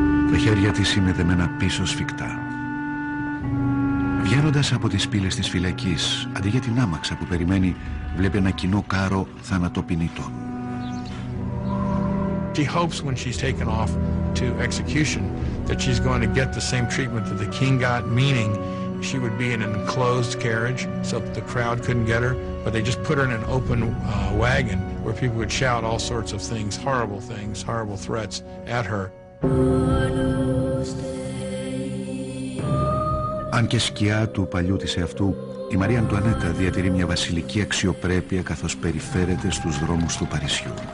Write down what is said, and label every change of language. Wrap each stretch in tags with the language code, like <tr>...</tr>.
<el>Το χέρια της είναι δεμένα πίσω σφιχτά. Βγαίνοντας από τις πύλες της φυλακής, αντί για την άμαξα που περιμένει, βλέπει ένα κοινό κάρο θανατοπινητό.</el> <en>She hopes when she's taken off to execution that she's going to get the same treatment that the king got, meaning she would be in an enclosed carriage so that the crowd couldn't get her, but they just put her in an open wagon where people would shout all sorts of things, horrible threats at her.</en> <el>Αν και σκιά του παλιού της εαυτού, η Μαρία Αντουανέτα διατηρεί μια βασιλική αξιοπρέπεια καθώς περιφέρεται στους δρόμους του Παρισιού.</el>